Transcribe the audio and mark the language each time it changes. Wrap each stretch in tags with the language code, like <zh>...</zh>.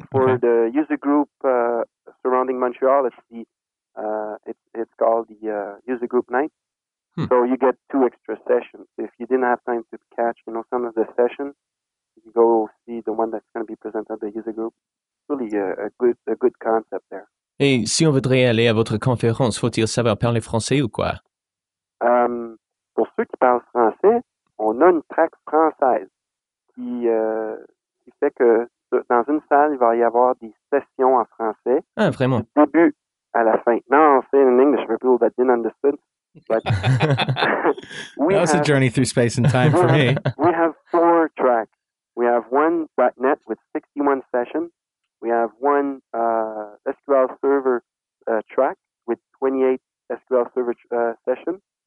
<en>But for the user group surrounding Montreal, it's called the user group night. So you get two extra sessions. If you didn't have time to catch, you know, some of the sessions, you go see the one that's going to be presented at the user group. Really a good concept there.</en> <fr>Et si on voudrait aller à votre conférence, faut-il savoir parler français ou quoi? Pour ceux qui parlent français, on a une track française qui fait que dans une salle, il va y avoir des sessions en français. Ah, vraiment? Du début à la fin. Non, on sait en English,</fr> <en>but people that didn't understand. But that was a journey through space and time for me. We have four tracks. We have one .NET with 61 sessions. We have one SQL Server track with 28 SQL Server sessions.</en>